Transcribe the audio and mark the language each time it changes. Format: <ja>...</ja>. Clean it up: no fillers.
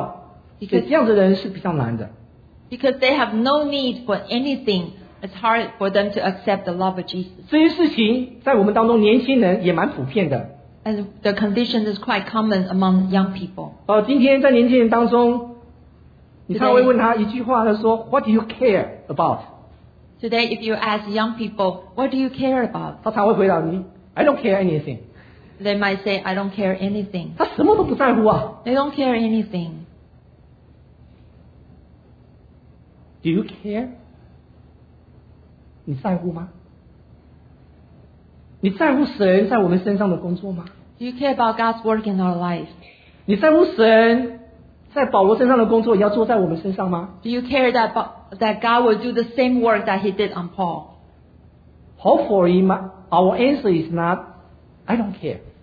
<zh>所以你跟他传耶稣，你要传耶稣的爱、耶稣的恩典，他因为他里面没有任何一点的需要，所以这样的人是比较难的。</zh> <en>Because they have no need for anything, it's hard for them to accept the love of Jesus.</en> <zh>这些事情在我们当中年轻人也蛮普遍的。</zh> <en>And the condition is quite common among young people.</en> <zh>今天在年轻人当中。你看会问他一句话，他说,</zh> <en>What do you care about? Today, if you ask young people, what do you care about?</en> <zh>他常会回答你,</zh> <en>I don't care anything. They might say, I don't care anything.</en> <zh>他什么都不在乎啊?</zh> <en>They don't care anything. Do you care?</en> <zh>你在乎吗? 你在乎神在我们身上的工作吗?</zh> <en>Do you care about God's work in our life?</en> <zh>你在乎神? 在保罗身上的工作也要做在我们身上吗?</zh> <en>Do you care that God will do the same work that he did on Paul? Hopefully, our answer is not, I don't care.</en>